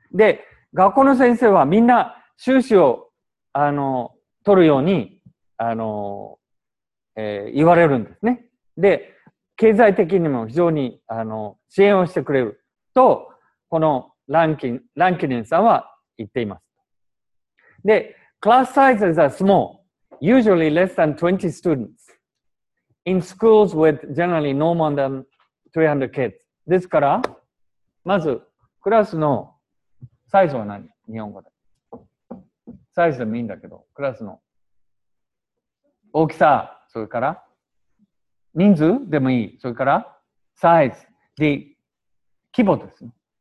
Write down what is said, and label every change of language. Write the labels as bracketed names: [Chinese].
[Japanese] で、学校の先生はみんな修士を取るように、言われるんですね。で、経済的にも非常に、支援をしてくれると、このランキニンさんは言っています。 [English] で、class sizes are small, usually less than 20 students, in schools with generally no more than 300 kids. [Japanese] ですから、まず、クラスのサイズは何？日本語で。サイズでもいいんだけど、クラスの大きさ、それから人数でもいい、それからサイズ、で、規模ですね。